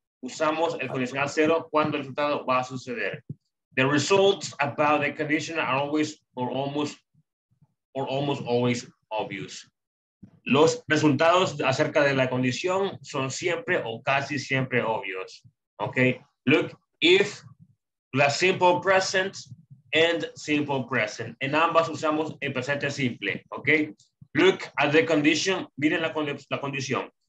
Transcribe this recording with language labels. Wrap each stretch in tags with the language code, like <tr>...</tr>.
<es>Usamos el condicional cero cuando el resultado va a suceder.</es> <en>The results about the condition are always or almost always obvious.</en> <es>Los resultados acerca de la condición son siempre o casi siempre obvios.</es> <en>Okay, look, if la simple present and simple present.</en> <es>En ambas usamos el presente simple, okay?</es> <en>Look at the condition,</en> <es>miren la condición.</es>